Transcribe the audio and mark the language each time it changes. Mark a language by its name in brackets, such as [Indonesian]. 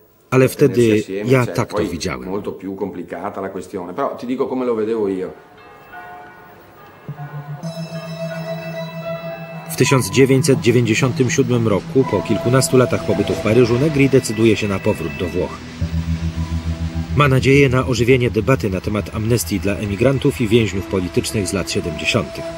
[Polish] Ale wtedy ja tak to widziałem. [Italian] Molto più complicata la questione, però ti dico come lo vedevo io. [Polish] W 1997 roku, po kilkunastu latach pobytu w Paryżu, Negri decyduje się na powrót do Włoch. ma nadzieję na ożywienie debaty na temat amnestii dla emigrantów i więźniów politycznych z lat 70.